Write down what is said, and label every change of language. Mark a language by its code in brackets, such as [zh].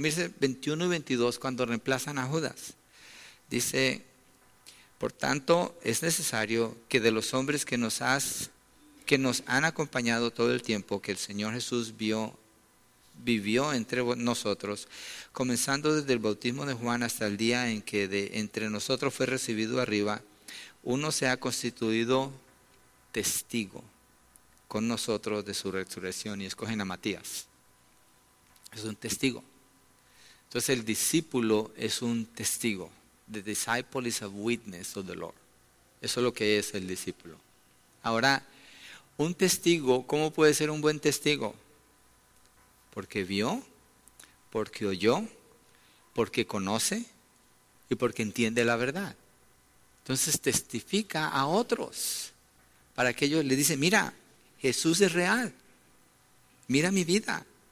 [es] Mire 21 y 22, cuando reemplazan a Judas. Dice, por tanto, es necesario que de los hombres que nos han acompañado todo el tiempo que el Señor Jesús vivió entre nosotros, comenzando desde el bautismo de Juan hasta el día en que de entre nosotros fue recibido arriba, uno se ha constituido testigo con nosotros de su resurrección, y escogen a Matías. Es un testigo. Entonces el discípulo es un testigo. [en] The disciple is a witness of the Lord. [es] Eso es lo que es el discípulo. Ahora, un testigo, ¿cómo puede ser un buen testigo? Porque vio, porque oyó, porque conoce y porque entiende la verdad. Entonces testifica a otros para que ellos le dicen, mira, Jesús es real, mira mi vida.